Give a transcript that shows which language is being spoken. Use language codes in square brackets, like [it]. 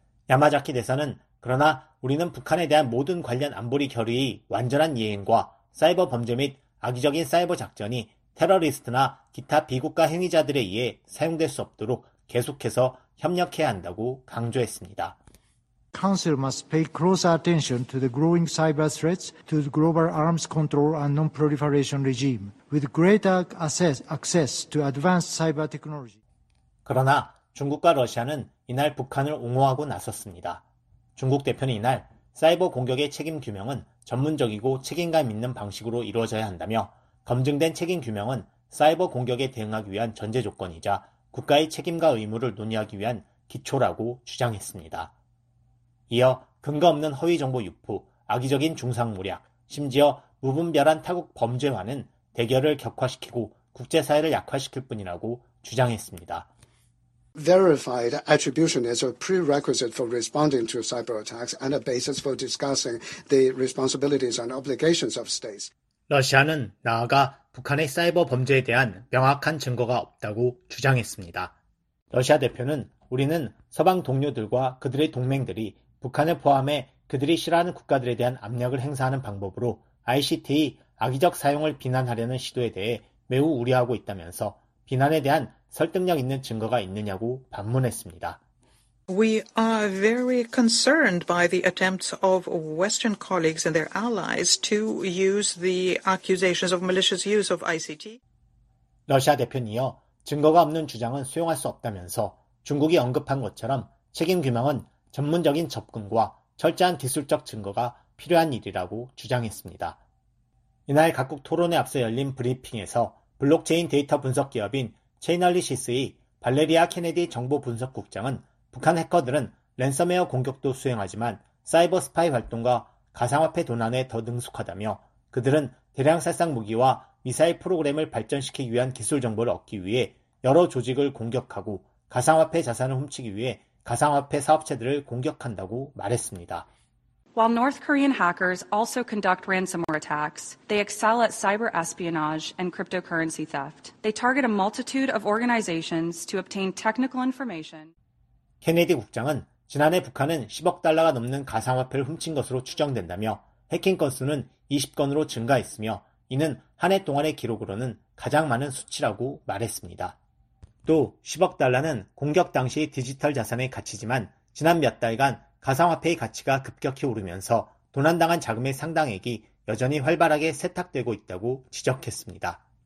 [ko] 야마자키 대사는 그러나 우리는 북한에 대한 모든 관련 안보리 결의의 완전한 이행과 사이버 범죄 및 악의적인 사이버 작전이 테러리스트나 기타 비국가 행위자들에 의해 사용될 수 없도록 계속해서 협력해야 한다고 강조했습니다. [en] Council must pay close attention to the growing cyber threats to the global arms control and non-proliferation regime with greater access to advanced cyber technology. [ko] 그러나 중국과 러시아는 이날 북한을 옹호하고 나섰습니다. 중국 대표는 이날 사이버 공격의 책임 규명은 전문적이고 책임감 있는 방식으로 이루어져야 한다며 검증된 책임 규명은 사이버 공격에 대응하기 위한 전제 조건이자 국가의 책임과 의무를 논의하기 위한 기초라고 주장했습니다. 이어 근거 없는 허위 정보 유포, 악의적인 중상모략, 심지어 무분별한 타국 범죄화는 대결을 격화시키고 국제사회를 약화시킬 뿐이라고 주장했습니다. [en] Verified attribution is a prerequisite for responding to cyber attacks and a basis for discussing the responsibilities and obligations of states. [ko] 러시아는 나아가 북한의 사이버 범죄에 대한 명확한 증거가 없다고 주장했습니다. 러시아 대표는 우리는 서방 동료들과 그들의 동맹들이 북한을 포함해 그들이 싫어하는 국가들에 대한 압력을 행사하는 방법으로 ICT의 악의적 사용을 비난하려는 시도에 대해 매우 우려하고 있다면서 비난에 대한 설득력 있는 증거가 있느냐고 반문했습니다. [en] We are very concerned by the attempts of Western colleagues and their allies to use the accusations of malicious use of ICT. [ko] 러시아 대표는 이어 증거가 없는 주장은 수용할 수 없다면서 중국이 언급한 것처럼 책임 규명은 전문적인 접근과 철저한 기술적 증거가 필요한 일이라고 주장했습니다. 이날 각국 토론에 앞서 열린 브리핑에서 블록체인 데이터 분석 기업인 체인얼리시스의 발레리아 케네디 정보 분석 국장은 북한 해커들은 랜섬웨어 공격도 수행하지만 사이버 스파이 활동과 가상화폐 도난에 더 능숙하다며 그들은 대량살상 무기와 미사일 프로그램을 발전시키기 위한 기술 정보를 얻기 위해 여러 조직을 공격하고 가상화폐 자산을 훔치기 위해 가상화폐 사업체들을 공격한다고 말했습니다. [en] While North Korean hackers also conduct ransomware attacks, they excel at cyber espionage and cryptocurrency theft. They target a multitude of organizations to obtain technical information. [ko] 케네디 국장은 지난해 북한은 10억 달러가 넘는 가상화폐를 훔친 것으로 추정된다며 해킹 건수는 20건으로 증가했으며 이는 한 해 동안의 기록으로는 가장 많은 수치라고 말했습니다. 또 10억 달러는 공격 당시 디지털 자산의 가치지만 지난 몇 달간 가상화폐의 가치가 급격히 오르면서 도난당한 자금의 상당액이 여전히 활발하게 세탁되고 있다고 지적했습니다.